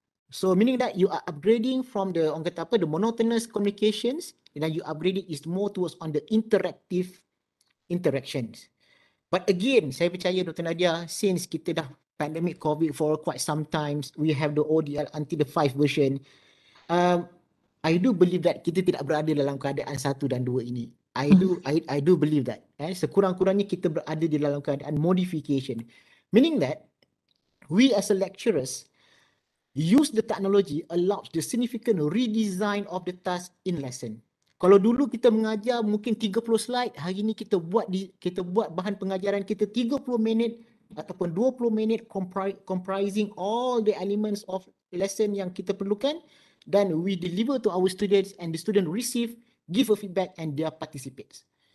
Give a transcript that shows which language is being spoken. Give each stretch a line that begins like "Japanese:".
English: So meaning that you are upgrading from the,
Malay: orang kata apa,
English: the monotonous communications, and then you upgrade it is more towards on the interactive interactions. But again,
Malay: saya percaya
English: Dr. Nadia, since
Malay: kita dah
English: pandemic COVID for quite some times, we have the ODL until the 5 version. I do believe that
Malay: kita tidak berada dalam keadaan 1 dan 2 ini.
English: I do believe that.
Malay: Sekurang-kurangnya kita berada di dalam keadaan modification.
English: Meaning that, we as a lecturers, use the technology allows the significant redesign of the task in lesson.
Malay: Kalau dulu kita mengajar mungkin 30 slide, hari ini kita buat bahan pengajaran kita 30 minit ataupun 20 minit
English: comprising all the elements of lesson
Malay: yang kita perlukan,
English: then we deliver to our students and the student receive, give a feedback and they participates.